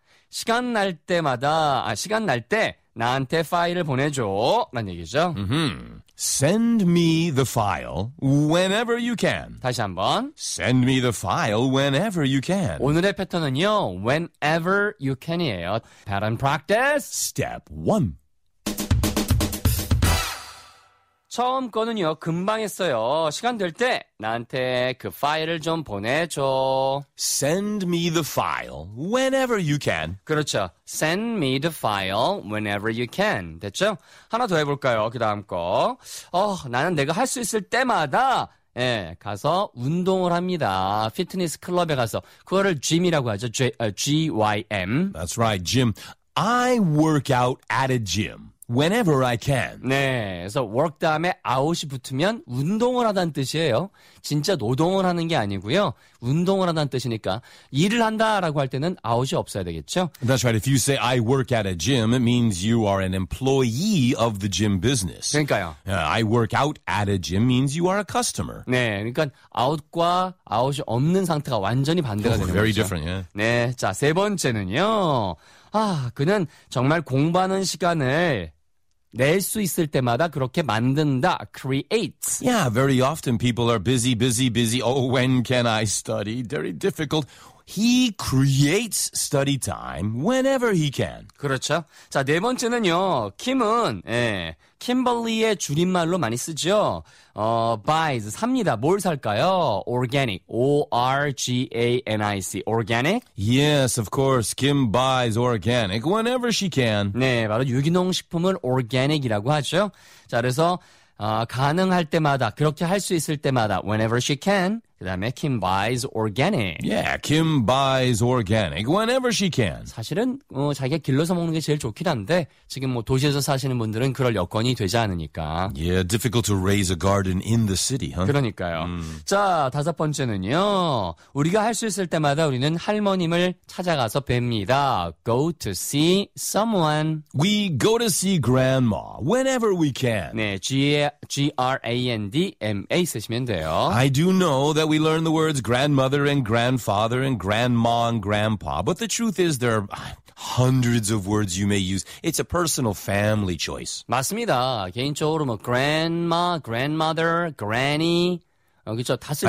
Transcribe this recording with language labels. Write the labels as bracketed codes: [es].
[ko] 시간 날 때마다, 시간 날 때, 나한테 파일을 보내줘. 라는 얘기죠. [en] Send me the file whenever you can. [ko] 다시 한번. [en] Send me the file whenever you can. [ko] 오늘의 패턴은요. [en] whenever you can 이에요. Pattern practice. Step 1. [ko] 처음 거는요, 금방 했어요. 시간 될때 나한테 그 파일을 좀 보내줘. [en] Send me the file whenever you can. [ko] 그렇죠. [en] Send me the file whenever you can. [ko] 됐죠? 하나 더 해볼까요? 그 다음 거. 나는 내가 할 수 있을 때마다, 예, 가서 운동을 합니다. 피트니스 클럽에 가서. 그거를 gym이라고 하죠. [en] GYM. That's right, Jim. I work out at a gym. Whenever I can. [ko] 네, 그래서 work 다음에 out이 붙으면 운동을 하다는 뜻이에요. 진짜 노동을 하는 게 아니고요. 운동을 하다는 뜻이니까 일을 한다라고 할 때는 out이 없어야 되겠죠. [en] That's right. If you say I work at a gym, it means you are an employee of the gym business. [ko] 그러니까요. [en] I work out at a gym means you are a customer. [ko] 네, 그러니까 out과 out이 없는 상태가 완전히 반대가 되는 거죠. [en] Very different, yeah. [ko] 네, 자, 세 번째는요. 그는 정말 공부하는 시간을 낼 수 있을 때마다 그렇게 만든다. [en] Create. Yeah, very often people are busy, busy, busy. Oh, when can I study? Very difficult. He creates study time whenever he can. [ko] 그렇죠. 자, 네 번째는요. 킴은, 예, 킴벌리의 줄임말로 많이 쓰죠. buys, 삽니다. 뭘 살까요? Organic. O-R-G-A-N-I-C. Organic? [en] Yes, of course. Kim buys organic whenever she can. [ko] 네, 바로 유기농 식품을 organic이라고 하죠. 자, 그래서, 가능할 때마다, 그렇게 할 수 있을 때마다, [en] whenever she can. [ko] 그 다음에 [en] Kim buys organic. Yeah, Kim buys organic whenever she can. [ko] 사실은 자기가 길러서 먹는 게 제일 좋긴 한데 지금 뭐 도시에서 사시는 분들은 그럴 여건이 되지 않으니까. [en] Yeah, difficult to raise a garden in the city, huh? [ko] 그러니까요. 자, 다섯 번째는요. 우리가 할 수 있을 때마다 우리는 할머님을 찾아가서 뵙니다. [en] Go to see someone. We go to see grandma whenever we can. [ko] 네, G-R-A-N-D-M-A 쓰시면 돼요. [en] I do know that we learn the words grandmother and grandfather and grandma and grandpa. But the truth is there are hundreds of words you may use. It's a personal family choice. [ko] 맞습니다. 개인적으로 뭐 grandma, grandmother, granny. 그렇죠. 다 쓸 수